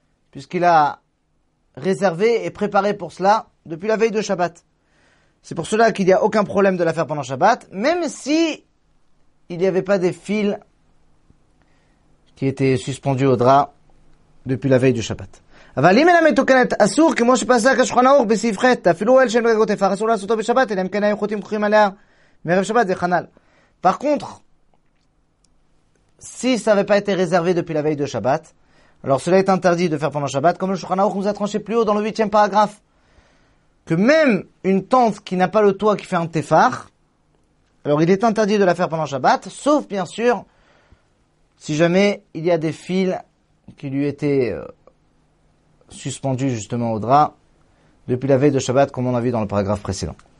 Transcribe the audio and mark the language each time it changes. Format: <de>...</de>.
<fr>Puisqu'il a réservé et préparé pour cela depuis la veille de Shabbat. C'est pour cela qu'il n'y a aucun problème de la faire pendant Shabbat, même si il n'y avait pas des fils qui étaient suspendus au drap depuis la veille du Shabbat.</fr> <he>אבל אם אין המתוקנת אסור, כמו שפסק השולחן ערוך בסעיף ח', אפילו אל שאין בגגות תפח, אסור לעשותו בשבת, אלא אם כן היו חוטים קרים עליה מערב שבת, זה חנל.</he> <fr>Par contre, si ça n'avait pas été réservé depuis la veille de Shabbat, alors cela est interdit de faire pendant Shabbat, comme le Shulchan Aruch nous a tranché plus haut dans le 8e paragraphe, que même une tente qui n'a pas le toit qui fait un tefach, alors il est interdit de la faire pendant Shabbat, sauf bien sûr, si jamais il y a des fils qui lui était suspendu justement au drap depuis la veille de Shabbat, comme on a vu dans le paragraphe précédent.</fr>